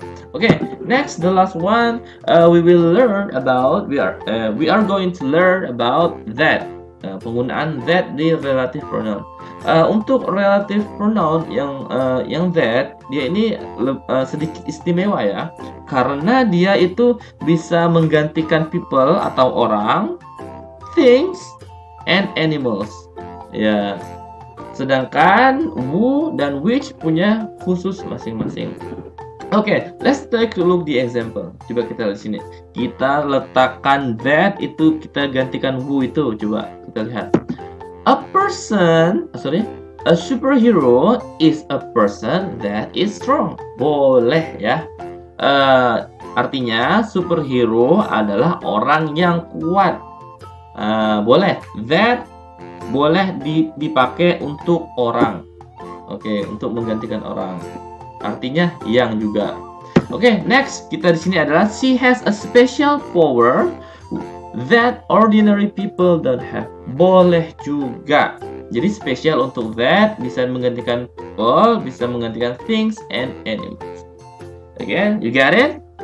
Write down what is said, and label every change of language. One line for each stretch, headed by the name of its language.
English: Okay, next the last one, we are going to learn about that.
Indonesian: penggunaan that di relative pronoun. Untuk relative pronoun yang that, dia ini sedikit istimewa ya, karena dia itu bisa menggantikan people atau orang,
English: things and animals.
Indonesian: Ya. Sedangkan who dan which punya khusus masing-masing.
English: Okay, let's take a look the example.
Indonesian: Coba kita lihat sini. Kita letakkan that itu, kita gantikan who itu. Coba kita lihat.
English: A person, sorry, a superhero is a person that is strong.
Indonesian: Boleh ya. Artinya superhero adalah orang yang kuat. Boleh. That boleh dipakai untuk orang. Okay, untuk menggantikan orang. Artinya yang juga.
English: Okay, next
Indonesian: kita di sini adalah
English: she has a special power that ordinary people don't have.
Indonesian: Boleh juga. Jadi special untuk that bisa menggantikan people, bisa menggantikan
English: things and animals. Okay, you got it?